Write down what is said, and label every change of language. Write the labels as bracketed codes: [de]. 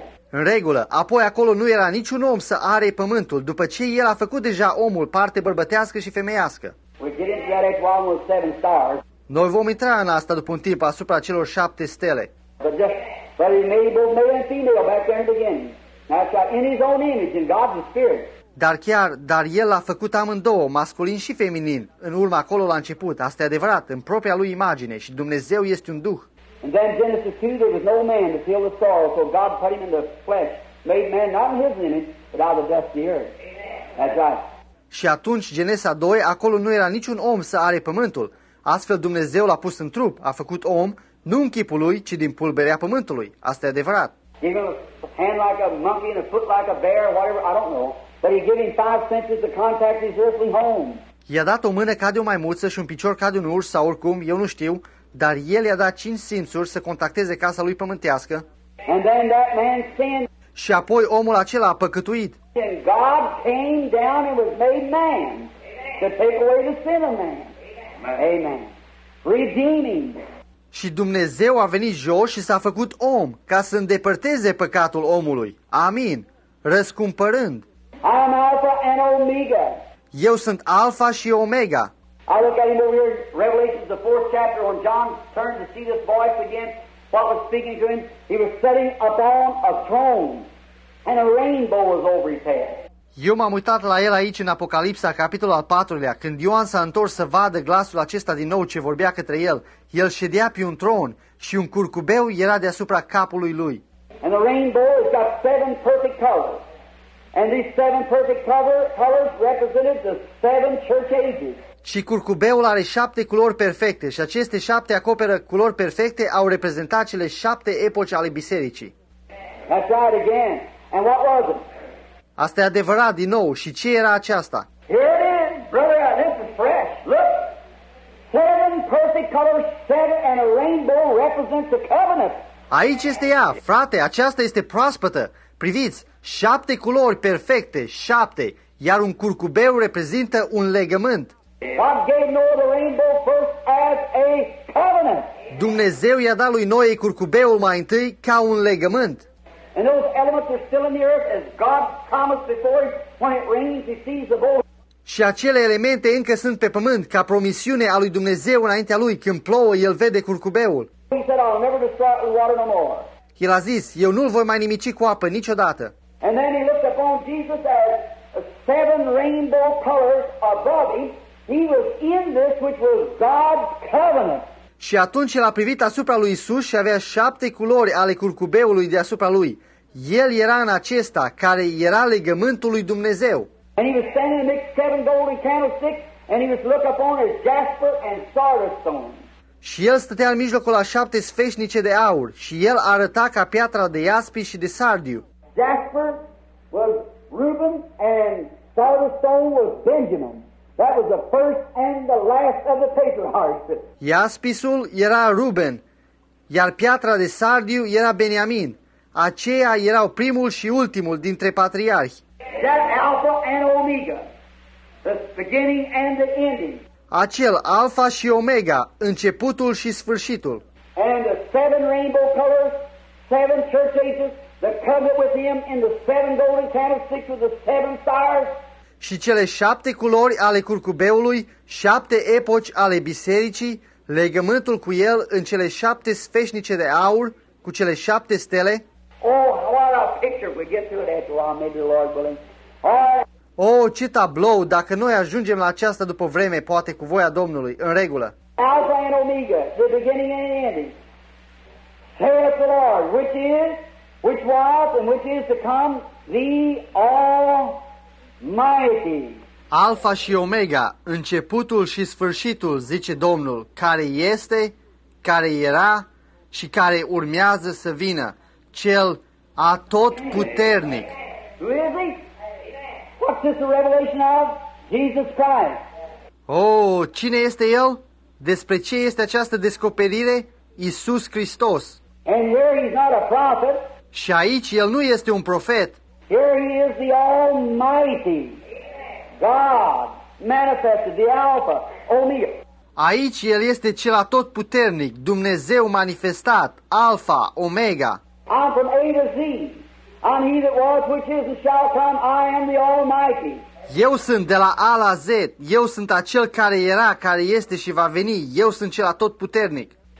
[ro] În regulă, apoi acolo nu era niciun om să are pământul, după ce el a făcut deja omul, parte bărbătească și femeiască. [en] We're getting yet almost seven stars. [ro] Noi vom intra în asta după un timp asupra celor șapte stele. [en] But he made both male and female back there in the beginning. That's in his own image, in God's spirit. [ro] Dar el a făcut amândouă, masculin și feminin, în urma acolo la început. Asta e adevărat, în propria lui imagine, și Dumnezeu este un duh. [en] And then Genesis 2, there was no man to till the soil, so God put him in the flesh, made man not in his image, but out of the dust of the earth. That's right. [ro] Și atunci, Genesa 2, acolo nu era niciun om să are pământul. Astfel Dumnezeu l-a pus în trup, a făcut om, nu în chipul lui, ci din pulberea pământului. Asta e adevărat. [en] Give him a hand like a monkey and a foot like a bear, whatever, I don't know. But he gave him five senses to contact his earthly home. [ro] I-a dat o mână ca de o maimuță și un picior ca de un urs sau oricum, eu nu știu, dar el i-a dat cinci simțuri să contacteze casa lui pământească. [en] And then that man sinned. [ro] Și apoi omul acela a păcătuit. [en] And God came down and was made man. Amen. To take away the sin of man. Amen. Amen. Redeeming. [ro] Și Dumnezeu a venit jos și s-a făcut om ca să îndepărteze păcatul omului. Amin. Răscumpărând. [en] I'm Alpha and Omega. [ro] Eu sunt Alpha și Omega. [en] I look at him over here in Revelation, the fourth chapter, when John turned to see this voice again, what was speaking to him. He was sitting upon a throne, and a rainbow was over his head. [ro] Eu m-am uitat la el aici în Apocalipsa, capitolul al patrulea, când Ioan s-a întors să vadă glasul acesta din nou ce vorbea către el. El ședea pe un tron și un curcubeu era deasupra capului lui. [en] And the rainbow has got seven perfect colors. And these seven perfect colors represented the seven church ages. [ro] Și curcubeul are șapte culori perfecte și aceste șapte acoperă culori perfecte au reprezentat cele șapte epoci ale bisericii. [en] That's right again. And what was it? [ro] Asta e adevărat din nou. Și ce era aceasta? [en] Here it is, brother, this is fresh. Look, seven perfect colors, seven and a rainbow represents the covenant. [ro] Aici este ea, frate, aceasta este proaspătă. Priviți, șapte culori perfecte, șapte, iar un curcubeu reprezintă un legământ. [en] God gave Noah the rainbow first as a covenant. [ro] Dumnezeu i-a dat lui Noe curcubeul mai întâi ca un legământ. [en] And those elements are still in the earth as God promised before. When it rains, he sees the bull. [ro] Și acele elemente încă sunt pe pământ ca promisiune a lui Dumnezeu înaintea lui. Când plouă, el vede curcubeul. [en] He said, I'll never destroy it with water no more. [ro] El a zis, eu nu-l voi mai nimici cu apă niciodată. [en] And then he looked upon Jesus as seven rainbow colors above him. He was in this which was God's covenant. [ro] Și atunci el a privit asupra lui Isus și avea șapte culori ale curcubeului deasupra lui. El era în acesta, care era legământul lui Dumnezeu. [en] And he was standing in the midst of seven golden candlesticks, and he was looking upon his jasper and sardis stone. [ro] Și el stătea în mijlocul a șapte sfeșnice de aur, și el arăta ca piatra de iaspi și de sardiu. [en] Jasper was Reuben, and sardis stone was Benjamin. That was the first and the last of the patriarchs. [ro] Iaspisul era Ruben, iar piatra de sardiu era Beniamin. Aceia erau primul și ultimul dintre patriarhi. [en] That Alpha and Omega, the beginning and the ending. [ro] Acel Alpha și Omega, începutul și sfârșitul. [en] And the seven rainbow colors, seven church ages, the covenant with him in the seven golden candlesticks with the seven stars. [ro] Și cele șapte culori ale curcubeului, șapte epoci ale bisericii, legământul cu el în cele șapte sfeșnice de aur, cu cele șapte stele. [en] Oh, what a picture we get through that law, maybe the Lord willing. Right. [ro] Oh, ce tablou, dacă noi ajungem la aceasta după vreme, poate cu voia Domnului, în regulă. [en] Alpha and Omega, the beginning and the ending. Say it to the Lord, which is, which was, and which is to come, the all. Mighty. [ro] Alpha și Omega, începutul și sfârșitul, zice Domnul, care este, care era și care urmează să vină, cel atotputernic. [en] Who is he? What's this revelation of? Jesus Christ. [ro] Oh, cine este el? Despre ce este această descoperire? Iisus Hristos. [en] And here he's not a prophet. [ro] Și aici el nu este un profet. [en] Here he is, the Almighty God, manifested, the Alpha, Omega. [ro] Aici el este cel atotputernic, Dumnezeu manifestat, Alpha, Omega. [en] I'm from A to Z. I'm he that was, which is, and shall come. I am the Almighty. [ro] Eu sunt de la A la Z. Eu sunt acel care era, care este și va veni. Eu sunt cel atotputernic.